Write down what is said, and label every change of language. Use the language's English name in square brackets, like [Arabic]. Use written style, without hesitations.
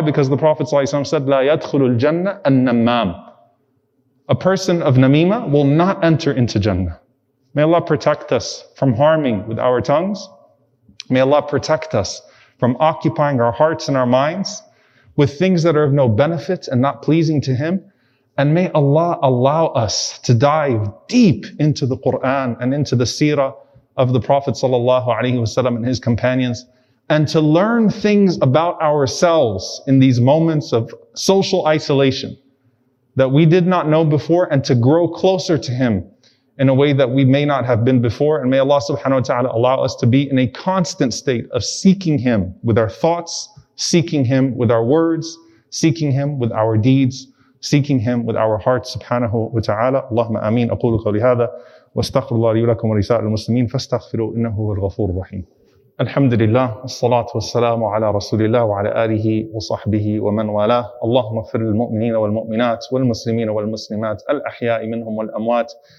[English] Because the Prophet ﷺ said, [Arabic] لَا يَدْخُلُ الْجَنَّةَ النَّمَّامُ. [English] A person of namima will not enter into Jannah. May Allah protect us from harming with our tongues. May Allah protect us from occupying our hearts and our minds with things that are of no benefit and not pleasing to Him. And may Allah allow us to dive deep into the Qur'an and into the seerah of the Prophet sallallahu alaihi wasallam and his companions, and to learn things about ourselves in these moments of social isolation that we did not know before, and to grow closer to Him in a way that we may not have been before. And may Allah subhanahu wa ta'ala allow us to be in a constant state of seeking Him with our thoughts, seeking Him with our words, seeking Him with our deeds, seeking Him with our hearts, subhanahu wa ta'ala. [Arabic] Allahumma ameen. Aqulu qawli hadha. واستغفر الله لي ولكم ولسائر المسلمين فاستغفروا إنه هو الغفور الرحيم الحمد لله والصلاة والسلام على رسول الله وعلى آله وصحبه ومن والاه اللهم اغفر للمؤمنين والمؤمنات والمسلمين والمسلمات الأحياء منهم والأموات